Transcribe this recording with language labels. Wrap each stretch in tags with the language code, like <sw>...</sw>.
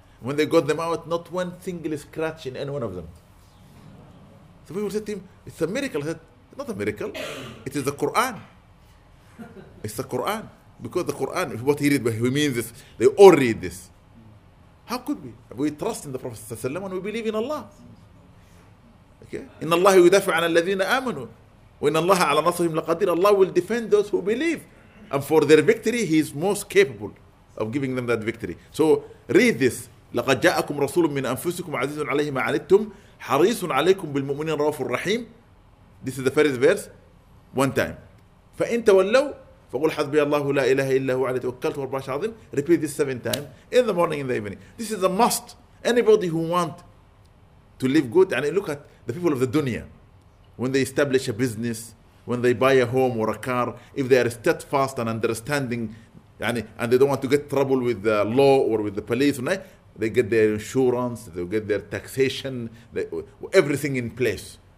<en>When they got them out, not one single scratch in any one of them. So people said to him, it's a miracle. I said, not a miracle. It is the Quran. It's the Quran. Because the Quran, what he read, but he means this. They all read this. How could we? We trust in the Prophet ﷺ and we believe in Allah. Okay?</en> <ar>إن الله يدافع عن الذين آمنوا وإن الله على نصرهم لقدير.</ar> <en>Allah will defend those who believe. And for their victory, He is most capable of giving them that victory. So read this.</en> <ar>لقد جاءكم رسول من أنفسكم عزيز عليه ما عنتم حريص عليكم بالمؤمنين رؤوف الرحيم.</ar> <en>This is the first verse. One time.</en> <ar>فإن تولوا فقل حسبي الله لا إله إلا هو عليه توكلت ورب العرش العظيم.</ar> <en>Repeat this 7 times in the morning, in the evening. This is a must. Anybody who want to live good, and look at the people of the dunya, when they establish a business, when they buy a home or a car, if they are steadfast and understanding, and they don't want to get trouble with the law or with the police, they get their insurance, they get their taxation, everything in place.</en>